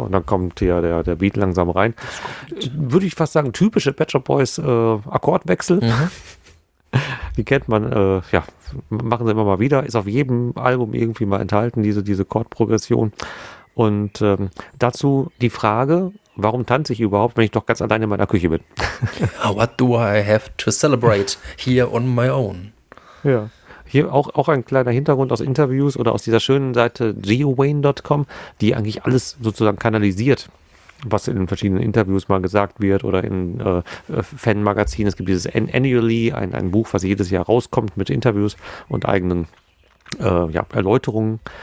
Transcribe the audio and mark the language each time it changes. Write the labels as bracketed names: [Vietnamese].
[German] Und dann kommt ja der Beat langsam rein. Würde ich fast sagen, typische Pet Shop Boys Akkordwechsel. Mhm. Die kennt man, machen sie immer mal wieder. Ist auf jedem Album irgendwie mal enthalten, diese Chordprogression. Und dazu die Frage: Warum tanze ich überhaupt, wenn ich doch ganz alleine in meiner Küche bin? [English] What do I have to celebrate here on my own? [German] Ja, hier auch ein kleiner Hintergrund aus Interviews oder aus dieser schönen Seite geowayne.com, die eigentlich alles sozusagen kanalisiert, was in verschiedenen Interviews mal gesagt wird oder in Fanmagazinen. Es gibt dieses Annually, ein Buch, was jedes Jahr rauskommt mit Interviews und eigenen Erläuterungen.